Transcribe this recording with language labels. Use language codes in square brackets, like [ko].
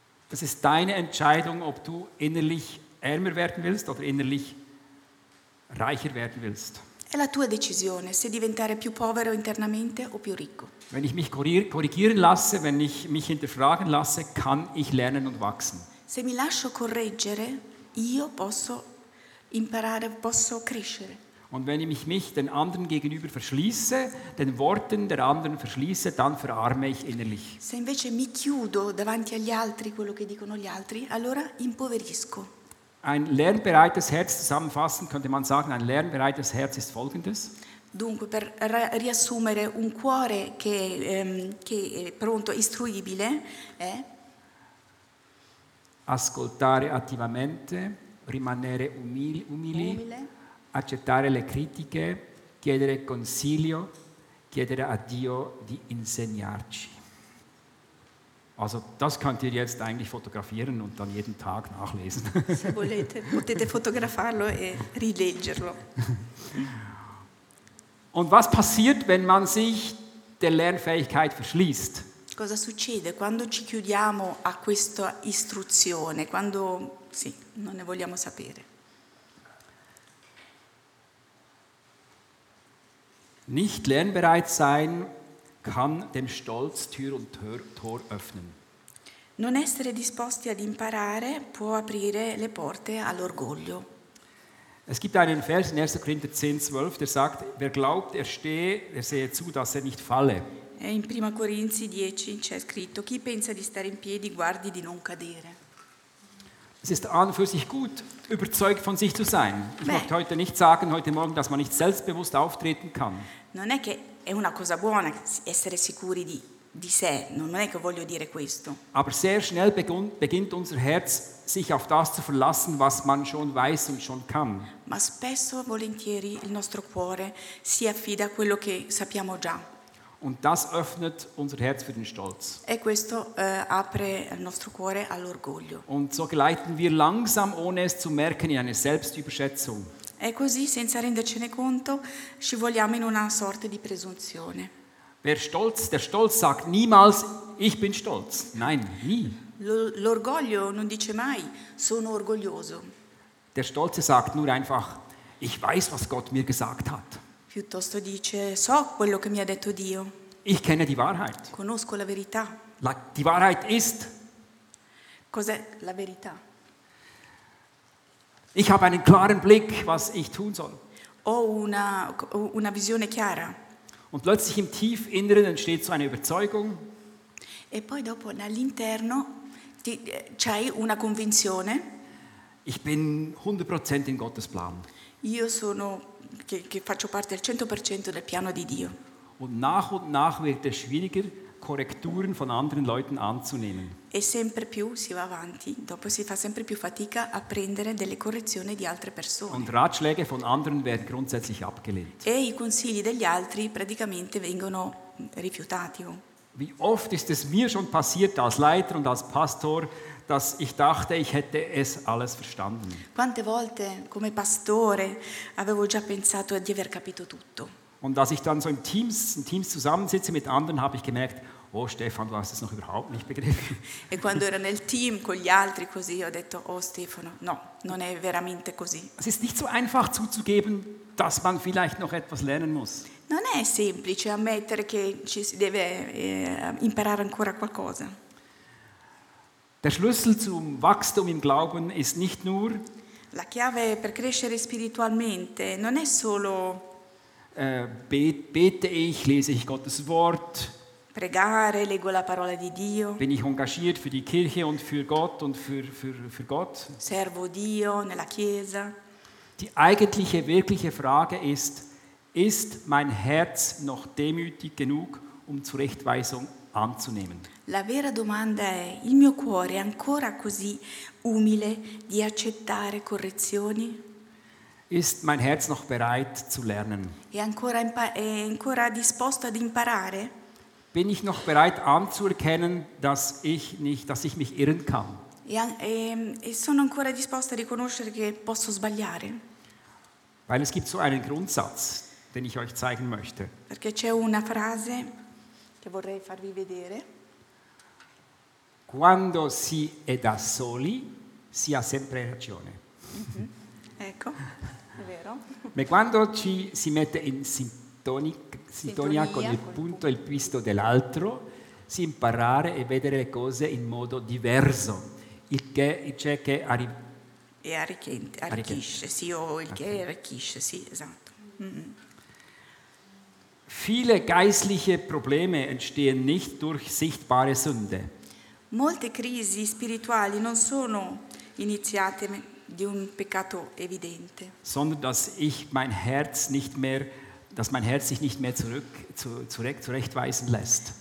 [de] Das ist deine Entscheidung, ob du innerlich ärmer werden willst oder innerlich reicher werden willst. [it] È la tua decisione se diventare più povero internamente o più ricco. [de] Wenn ich mich korrigieren lasse, wenn ich mich hinterfragen lasse, kann ich lernen und wachsen. [it] Se mi lascio correggere, io posso imparare, posso crescere. [de] Und wenn ich mich den anderen gegenüber verschließe, den Worten der anderen verschließe, dann verarme ich innerlich. [it] Se invece mi chiudo davanti agli altri quello che dicono gli altri, allora impoverisco. [de] Ein lernbereites Herz zusammenfassen könnte man sagen, ein lernbereites Herz ist folgendes. [it] Dunque, per riassumere, un cuore che è pronto, istruibile, è ascoltare attivamente, rimanere umili. Accettare le critiche, chiedere consiglio, chiedere a Dio di insegnarci. [de] Also, das könnt ihr jetzt eigentlich fotografieren und dann jeden Tag nachlesen. [it] Se volete, potete fotografarlo e rileggerlo. [de] Und was passiert, wenn man sich der Lernfähigkeit verschließt? [it] Cosa succede quando ci chiudiamo a questa istruzione? Quando, sì, non ne vogliamo sapere. [de] Nicht lernbereit sein kann dem Stolz Tür und Tor öffnen. [it] Non essere disposti ad imparare può aprire le porte all'orgoglio. [de] Es gibt einen Vers in 1. Korinther 10,12, der sagt, wer glaubt, er stehe, er sehe zu, dass er nicht falle. [it] In 1. Corinzi 10 c'è scritto, chi pensa di stare in piedi, guardi di non cadere. [de] Es ist an für sich gut, überzeugt von sich zu sein. Ich möchte heute nicht sagen, heute Morgen, dass man nicht selbstbewusst auftreten kann. [it] Non è che è una cosa buona essere sicuri di sé. Non è che voglio dire questo. [de] Aber sehr schnell beginnt unser Herz, sich auf das zu verlassen, was man schon weiß und schon kann. [it] Ma spesso volentieri il nostro cuore si affida a quello che sappiamo già. [de] Und das öffnet unser Herz für den Stolz. [it] E questo apre il nostro cuore all'orgoglio. [de] Und so gleiten wir langsam, ohne es zu merken, in eine Selbstüberschätzung. [it] E così, senza rendercene conto, scivoliamo in una sorta di presunzione. [de] Der Stolz sagt niemals, ich bin stolz. Nein, nie. [it] L'orgoglio non dice mai, sono orgoglioso. [de] Der Stolze sagt nur einfach, ich weiß, was Gott mir gesagt hat. [it] Piuttosto dice, so quello che mi ha detto Dio. [de] Ich kenne die Wahrheit. [it] Conosco la verità. [de] Die Wahrheit ist. [it] Cos'è la verità? [de] Ich habe einen klaren Blick, was ich tun soll. [it] Ho una visione chiara. [de] Und plötzlich im Tiefinneren entsteht so eine Überzeugung. [it] E poi dopo, all'interno, c'hai una convinzione. [de] Ich bin 100% in Gottes Plan. [it] Io sono... che faccio parte al 100% del piano di Dio. [de] Und nach wird es schwieriger, Korrekturen von anderen Leuten anzunehmen. [it] E sempre più si va avanti, dopo si fa sempre più fatica a prendere delle correzioni di altre persone. [de] Und Ratschläge von anderen werden grundsätzlich abgelehnt. [it] E i consigli degli altri praticamente vengono rifiutati. [de] Wie oft ist es mir schon passiert als Leiter und als Pastor, dass ich dachte, ich hätte es alles verstanden. [it] Quante volte come pastore avevo già pensato di aver capito tutto. [de] Und als ich dann so im Teams zusammensitze mit anderen, habe ich gemerkt, oh Stefan, du hast es noch überhaupt nicht begriffen. [it] E quando ero nel team con gli altri così ho detto, oh Stefano, no, non è veramente così. [de] Es ist nicht so einfach zuzugeben, dass man vielleicht noch etwas lernen muss. [it] Non è semplice ammettere che ci si deve imparare ancora qualcosa. [de] Der Schlüssel zum Wachstum im Glauben ist nicht nur [it] la chiave per crescere spiritualmente non è solo [de] bete ich, lese ich Gottes Wort, [it] pregare, leggo la parola di Dio, [de] bin ich engagiert für die Kirche und für Gott und für Gott, [it] servo Dio nella Chiesa. [de] Die eigentliche, wirkliche Frage ist, ist mein Herz noch demütig genug, um Zurechtweisung anzunehmen? [it] La vera domanda è, il mio cuore è ancora così umile di accettare correzioni? [de] Ist mein Herz noch bereit zu lernen? [it] È ancora disposto ad imparare? [de] Bin ich noch bereit anzuerkennen, dass ich mich irren kann? [it] E sono ancora disposto a riconoscere che posso sbagliare? [de] Weil es gibt so einen Grundsatz, den ich euch zeigen möchte. [it] Perché c'è una frase che vorrei farvi vedere. Quando si è da soli, si ha sempre ragione. Ecco, è vero. Ma quando ci si mette in sintonia con il punto e il visto dell'altro, si impara e vedere le cose in modo diverso. Il che c'è che arricchisce, sì, o il che arricchisce, sì, esatto. [de] Viele geistliche Probleme entstehen nicht durch sichtbare Sünde. [it] Molte crisi spirituali non sono iniziate di un peccato evidente. [de] Sondern dass ich mein Herz nicht mehr, dass mein Herz sich nicht mehr zurechtweisen lässt.